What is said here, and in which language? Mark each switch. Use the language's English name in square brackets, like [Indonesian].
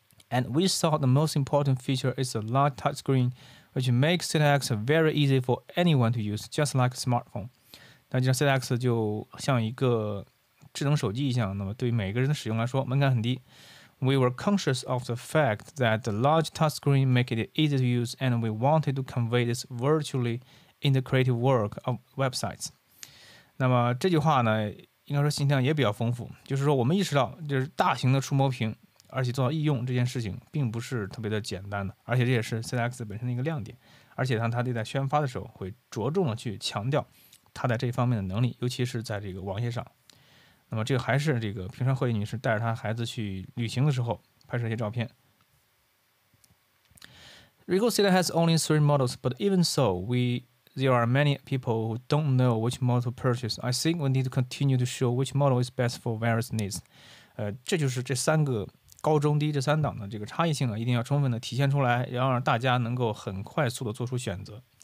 [English] And we saw the most important feature is a large touchscreen, which makes THETA X very easy for anyone to use, just like a smartphone. [Chinese] 那就像 THETA X 就像一个智能手机一样，那么对于每个人的使用来说，门槛很低。 [English] We were conscious of the fact that the large touchscreen makes it easy to use, and we wanted to convey this virtually in the creative work of websites. [Chinese] 那么这句话呢，应该说形象也比较丰富，就是说我们意识到，就是大型的触摸屏，而且做到易用这件事情，并不是特别的简单的，而且这也是 THETA X 本身的一个亮点，而且它在宣发的时候会着重的去强调它在这方面的能力，尤其是在这个网页上。那么这个还是这个平山惠女士带着她孩子去旅行的时候拍摄一些照片。 [English] Rico City has only three models, but even so, there are many people who don't know which model to purchase. I think we need to continue to show which model is best for various needs. [Chinese] 这就是这三个高中低这三档的这个差异性啊，一定要充分的体现出来，要让大家能够很快速的做出选择。